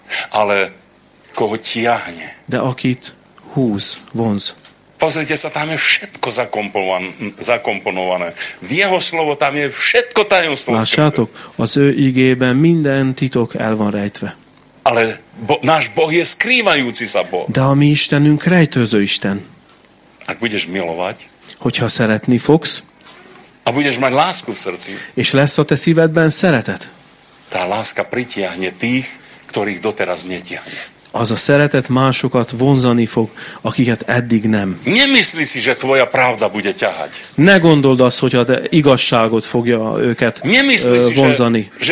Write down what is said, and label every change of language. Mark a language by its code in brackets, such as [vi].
[sk] Ale koho tiahne. [hu] De akit húz, vonz. [sk] Pozrite sa, tam je všetko zakomponované. V jeho slovo tam je všetko tajomstvo. [hu] Lássátok, az ő igében minden titok el van rejtve. [sk] Ale náš Boh je skrývajúci sa Boh. [hu] De a mi Istenünk rejtőző Isten. [sk] Ak budeš milovať. [hu] Hogyha szeretni fogsz. [sk] A budeš mať lásku v srdci. [hu] És lesz a te szívedben szeretet. [sk] Tá láska pritiahne tých, ktorých doteraz netiahne. [hu] Az a szeretet másokat vonzani fog, akiket eddig nem. [sk] Nemyslíš si, že tvoja pravda bude ťahať. [hu] Ne gondold azt, hogy a te igazságot fogja őket vonzani.